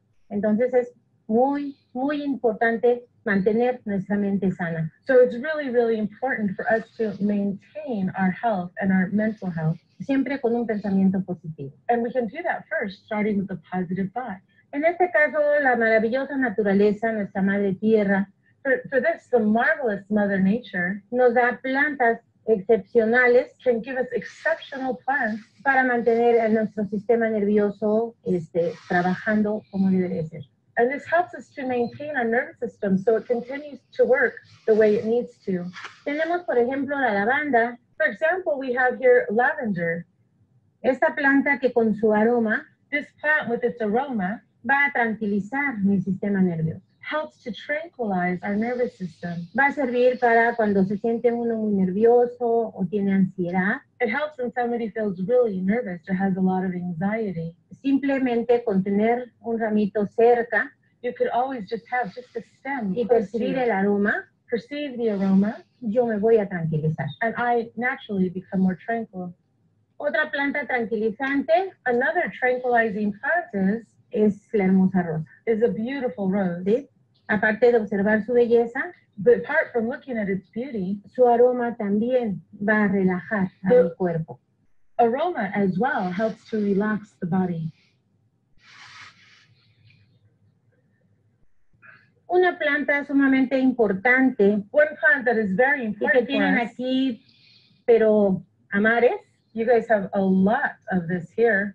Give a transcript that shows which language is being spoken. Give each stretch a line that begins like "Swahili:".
Spanish: Entonces es muy, muy importante mantener nuestra mente sana.
English: So it's really, really important for us to maintain our health and our mental health.
Spanish: Siempre con un pensamiento positivo.
English: And we can do that first, starting with a positive thought.
Spanish: En este caso, la maravillosa naturaleza, nuestra madre tierra.
English: For this, the marvelous mother nature.
Spanish: Nos da plantas excepcionales.
English: Can give us exceptional plants.
Spanish: Para mantener a nuestro sistema nervioso trabajando como debe ser.
English: And this helps us to maintain our nervous system so it continues to work the way it needs to.
Spanish: Tenemos, por ejemplo, la lavanda.
English: For example, we have here lavender.
Spanish: Esta planta que con su aroma.
English: This plant with its aroma.
Spanish: Va a tranquilizar mi sistema nervioso.
English: Helps to tranquilize our nervous system.
Spanish: Va a servir para cuando se siente uno muy nervioso o tiene ansiedad.
English: It helps when somebody feels really nervous or has a lot of anxiety.
Spanish: Simplemente con tener un ramito cerca.
English: You could always just have just a stem.
Spanish: Y percibir el aroma.
English: Perceive the aroma.
Spanish: Yo me voy a tranquilizar.
English: And I naturally become more tranquil.
Spanish: Otra planta tranquilizante.
English: Another tranquilizing plant is.
Spanish: Es la hermosa rosa.
English: Is a beautiful rose.
Spanish: ¿Sí? Aparte de observar su belleza.
English: But apart from looking at its beauty.
Spanish: Su aroma también va a relajar al cuerpo.
English: Aroma as well helps to relax the body.
Spanish: Una planta sumamente importante.
English: One plant that is very important.
Spanish: Y que tienen aquí, pero amares.
English: You guys have a lot of this here.